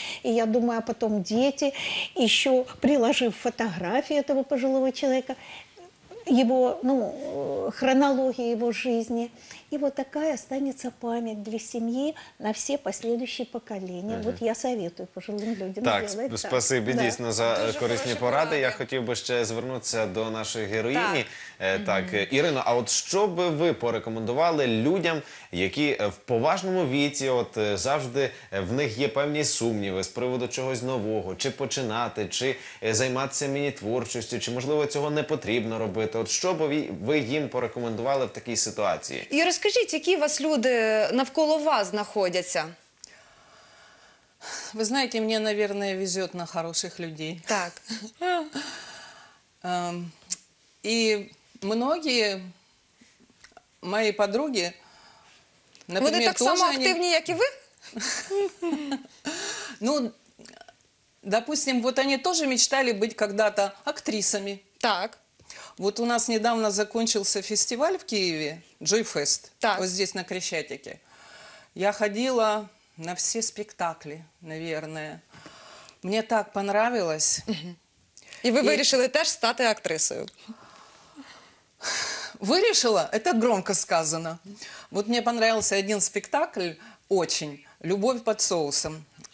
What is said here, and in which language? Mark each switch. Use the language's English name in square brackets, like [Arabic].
[Russian] И я думаю, а потом дети, еще приложив фотографии этого пожилого человека, его, ну, хронологии его жизни. И вот такая останется память для семьи на все последующие поколения. Вот я советую пожилим людям так, сделать так. [Ukrainian] Спасибо, дійсно, за дуже корисні поради. Я хотів би ще звернутися до нашої героїні. Так, Ірино, а от що би ви порекомендували людям, які в поважному віці, от завжди в них є певні сумніви з приводу чогось нового, чи починати, чи займатися мені творчістю, чи, можливо, цього не потрібно робити. От що би ви їм порекомендували в такій ситуації? І розкажіть, які у вас люди навколо вас знаходяться? Ви знаєте, мені, наверное, везе на хороших людей. Так. [Russian] І многие мои подруги, например, тоже... Вы так само активнее, как и вы? Ну, допустим, вот они тоже мечтали быть когда-то актрисами. Так. Вот у нас недавно закончился фестиваль в Киеве, Joyfest, так. Вот здесь, на Крещатике. Я ходила на все спектакли, наверное. Мне так понравилось. И вы решили [Ukrainian] теж стати актрисою? [Russian] Вырешила, это громко сказано. Вот мне понравился один спектакль очень, «Любовь под соусом».